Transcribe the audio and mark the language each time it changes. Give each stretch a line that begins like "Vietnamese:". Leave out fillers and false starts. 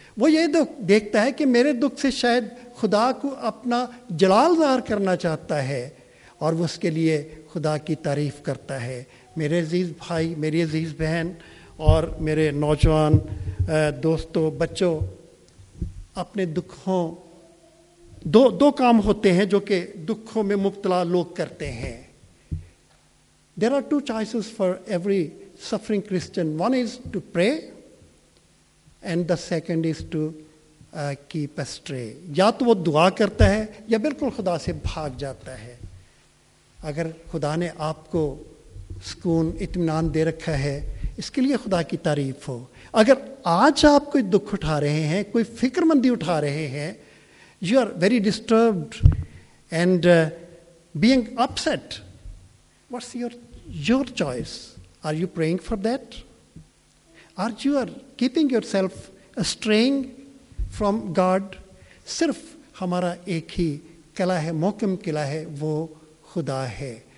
Urdu: وہ یہ دکھ دیکھتا ہے کہ میرے دکھ سے شاید خدا کو اپنا جلال ظاہر کرنا چاہتا ہے اور وہ اس کے لیے خدا کی تعریف کرتا ہے. میرے عزیز بھائی, میری عزیز بہن اور میرے نوجوان دوستوں, بچوں, اپنے دکھوں, دو کام ہوتے ہیں جو کہ دکھوں میں مبتلا لوگ کرتے ہیں.
English: There are two choices for every suffering Christian. One is to pray and the second is to keep astray.
Urdu: یا تو وہ دعا کرتا ہے یا بالکل خدا سے بھاگ جاتا ہے. اگر خدا نے آپ کو سکون اطمینان دے رکھا ہے اس کے لیے خدا کی تعریف ہو. اگر آج آپ کوئی دکھ اٹھا رہے ہیں, کوئی فکر مندی اٹھا رہے ہیں,
English: You are very disturbed and being upset, what's your choice? Are you praying for that? Are you are keeping your self strange from God?
Urdu: صرف ہمارا ایک ہی قلع ہے, محکم قلع ہے, وہ خدا ہے.